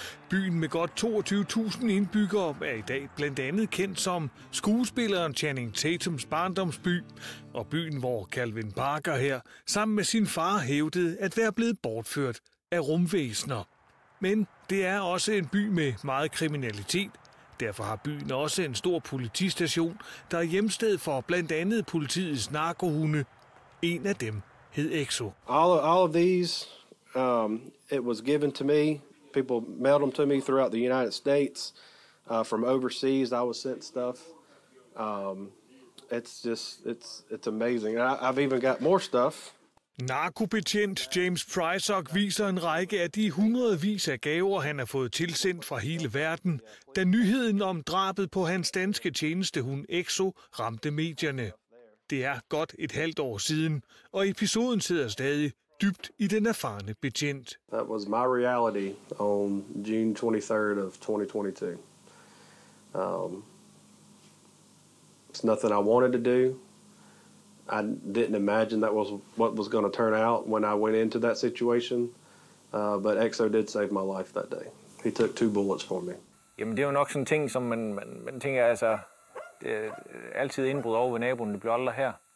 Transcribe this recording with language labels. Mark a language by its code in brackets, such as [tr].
[da] Byen med godt 22.000 indbyggere er i dag blandt andet kendt som skuespilleren Channing Tatums barndomsby, og byen, hvor Calvin Parker her sammen med sin far hævdede at være blevet bortført af rumvæsener. Men det er også en by med meget kriminalitet. Derfor har byen også en stor politistation, der er hjemsted for blandt andet politiets narkohunde. En af dem hed Exo. [en] All of these, it was given to me. People mailed them to me throughout the United States. From overseas, I was sent stuff. It's amazing. I've even got more stuff. [da] Narkobetjent James Prysock viser en række af de hundredvis af gaver, han har fået tilsendt fra hele verden, da nyheden om drabet på hans danske tjenestehund Exo ramte medierne. Det er godt et halvt år siden, og episoden sidder stadig dybt i den erfarne betjent. [en] That was my reality on June 23rd of 2022. It's nothing I wanted to do. I didn't imagine that was what was going to turn out when I went into that situation. But Exo did save my life that day. He took two bullets for me. [da] Jamen, det er jo nok sådan en ting, som man tænker, altså. Det er altid indbrud over ved naboen, det bliver aldrig her.